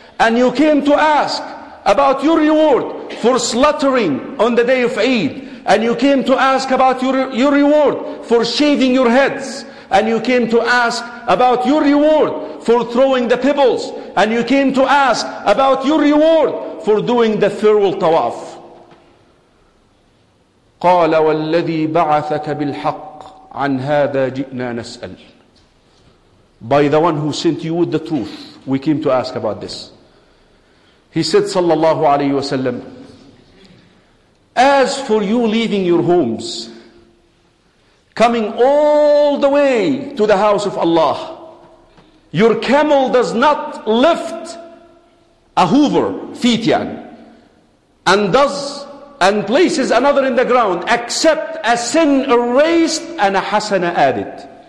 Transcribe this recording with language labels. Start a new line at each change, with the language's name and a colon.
English: And you came to ask about your reward for slaughtering on the day of Eid. And you came to ask about your reward for shaving your heads. And you came to ask about your reward for throwing the pebbles. And you came to ask about your reward for doing the farewell tawaf.
Arabic: قال والذي بعثك بالحق عن هذا جئنا نسأل.
English: By the one who sent you with the truth, we came to ask about this. He said
Arabic: صلى الله عليه وسلم,
English: as for you leaving your homes, coming all the way to the house of Allah, your camel does not lift a hoover, feet, and places another in the ground, except a sin erased and a hasana added.